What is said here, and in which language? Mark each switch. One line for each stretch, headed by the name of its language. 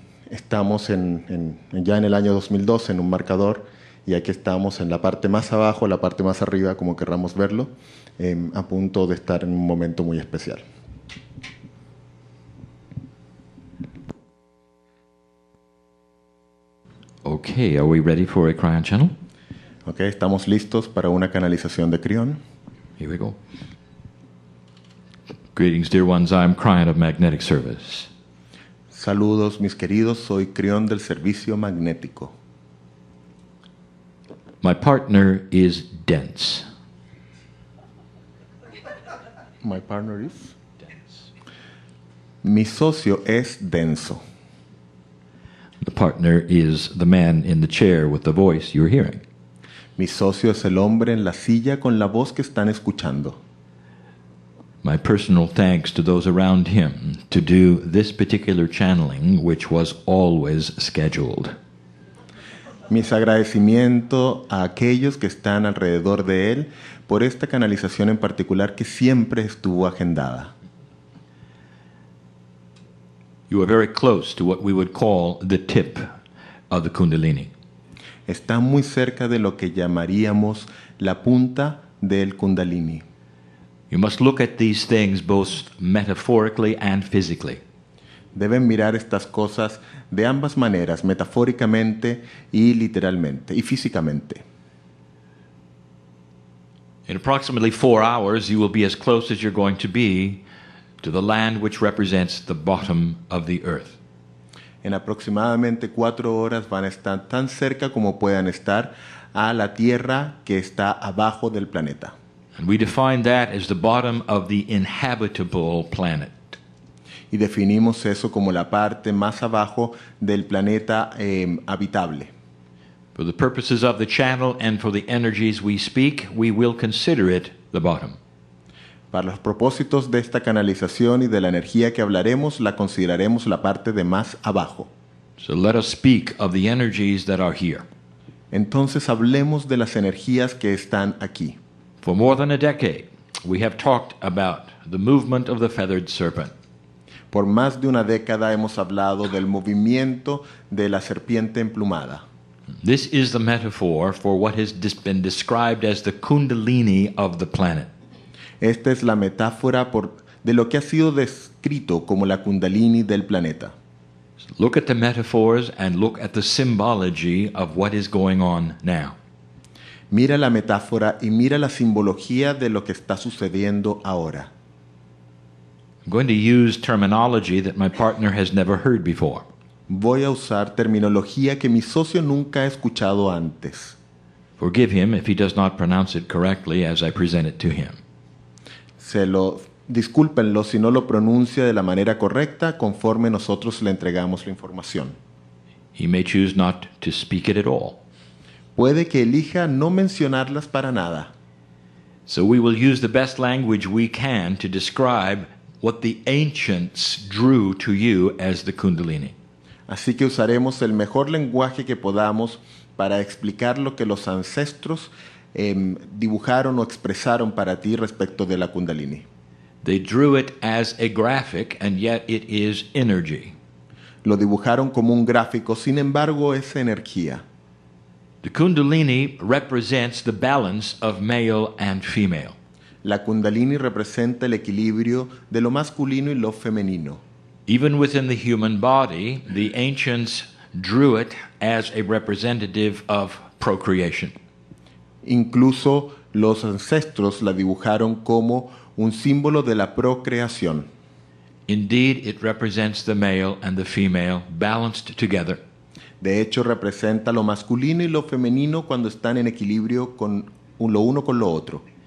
Spanish: Estamos ya en el año 2012, en un marcador, y aquí estamos en la parte más abajo, la parte más arriba, como querramos verlo, a punto de estar en un momento muy especial.
English: Okay, are we ready for a cryon channel?
Spanish: Okay, estamos listos para una canalización de cryon.
English: Here we go. Greetings, dear ones, I'm cryon of magnetic service.
Spanish: Saludos, mis queridos, soy cryon del servicio magnético.
English: My partner is dense. My partner is dense.
Spanish: Mi socio es denso.
English: The partner is the man in the chair with the voice you're hearing.
Spanish: Mi socio es el hombre en la silla con la voz que están escuchando.
English: My personal thanks to those around him to do this particular channeling, which was always scheduled.
Spanish: Mis agradecimientos a aquellos que están alrededor de él por esta canalización en particular que siempre estuvo agendada.
English: You are very close to what we would call the tip of the Kundalini.
Spanish: Está muy cerca de lo que llamaríamos la punta del Kundalini.
English: You must look at these things both metaphorically and physically.
Spanish: Deben mirar estas cosas de ambas maneras, metafóricamente y literalmente, y físicamente.
English: In approximately 4 hours, you will be as close as you're going to be to the land which represents the bottom of the earth.
Spanish: En aproximadamente 4 horas van a estar tan cerca como puedan estar a la tierra que está abajo del planeta.
English: And we define that as the bottom of the inhabitable planet.
Spanish: Y definimos eso como la parte más abajo del planeta habitable.
English: For the purposes of the channel and for the energies we speak, we will consider it the bottom.
Spanish: Para los propósitos de esta canalización y de la energía que hablaremos, la consideraremos la parte de más abajo.
English: So let us speak of the energies that are here.
Spanish: Entonces hablemos de las energías que están aquí.
English: For more than a decade, we have talked about the movement of the feathered serpent.
Spanish: Por más de una década hemos hablado del movimiento de la serpiente emplumada.
English: This is the metaphor for what has been described as the Kundalini of the planet.
Spanish: Esta es la metáfora de lo que ha sido descrito como la Kundalini del planeta.
English: Look at the metaphors and look at the symbology of what is going on now.
Spanish: Mira la metáfora y mira la simbología de lo que está sucediendo ahora.
English: I'm going to use terminology that my partner has never heard before.
Spanish: Voy a usar terminología que mi socio nunca ha escuchado antes.
English: Forgive him if he does not pronounce it correctly as I present it to him.
Spanish: Discúlpenlo si no lo pronuncia de la manera correcta conforme nosotros le entregamos la información.
English: He may choose not to speak it at all.
Spanish: Puede que elija no mencionarlas para nada.
English: So we will use the best language we can to describe what the ancients drew to you as the Kundalini.
Spanish: Así que usaremos el mejor lenguaje que podamos para explicar lo que los ancestros dibujaron o expresaron para ti respecto de la Kundalini.
English: They drew it as a graphic, and yet it is energy.
Spanish: Lo dibujaron como un gráfico, sin embargo, es energía.
English: The Kundalini represents the balance of male and female.
Spanish: La Kundalini representa el equilibrio de lo masculino y lo femenino.
English: Even within the human body, the ancients drew it as a representative of procreation.
Spanish: Incluso los ancestros la dibujaron como un símbolo de la procreación.
English: Indeed, it represents the male and the female balanced together.
Spanish: De hecho, representa lo masculino y lo femenino cuando están en equilibrio con lo uno con lo otro.